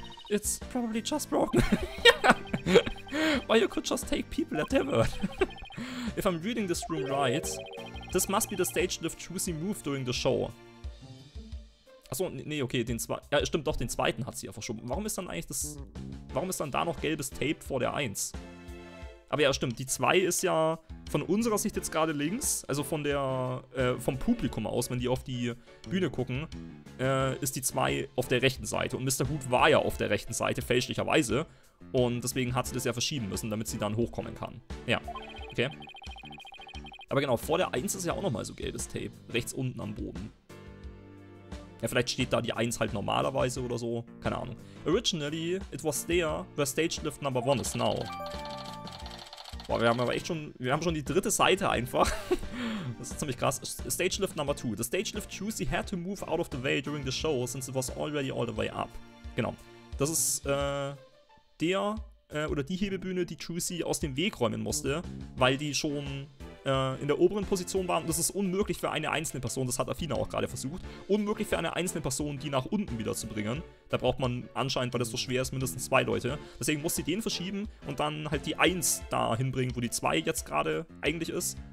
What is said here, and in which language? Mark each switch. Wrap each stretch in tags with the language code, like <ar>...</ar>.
<en>It's probably just broken. Or you could just take people at their word. If I'm reading this room right, this must be the stage lift Juicy moved during the show.</en> <de>Achso, nee, okay, den zweiten. Ja, stimmt doch, den zweiten hat sie ja verschoben. Warum ist dann eigentlich das. Warum ist dann da noch gelbes Tape vor der 1? Aber ja, stimmt, die 2 ist ja von unserer Sicht jetzt gerade links, also von der. Vom Publikum aus, wenn die auf die Bühne gucken, ist die 2 auf der rechten Seite. Und Mr. Hoot war ja auf der rechten Seite, fälschlicherweise. Und deswegen hat sie das ja verschieben müssen, damit sie dann hochkommen kann. Ja, okay. Aber genau, vor der 1 ist ja auch nochmal so gelbes Tape, rechts unten am Boden. Ja, vielleicht steht da die 1 halt normalerweise oder so. Keine Ahnung.</de> <en>Originally, it was there where stage lift number 1 is now.</en> <de>Boah, wir haben aber echt schon. Wir haben schon die dritte Seite einfach. Das ist ziemlich krass.</de> <en>Stage lift number 2. The stage lift Juicy had to move out of the way during the show since it was already all the way up.</en> <de>Genau. Das ist, der, oder die Hebebühne, die Juicy aus dem Weg räumen musste, weil die schon. In der oberen Position waren. Das ist unmöglich für eine einzelne Person, das hat Athena auch gerade versucht, unmöglich für eine einzelne Person, die nach unten wieder zu bringen. Da braucht man anscheinend, weil das so schwer ist, mindestens 2 Leute. Deswegen muss sie den verschieben und dann halt die 1 da hinbringen, wo die 2 jetzt gerade eigentlich ist.</de>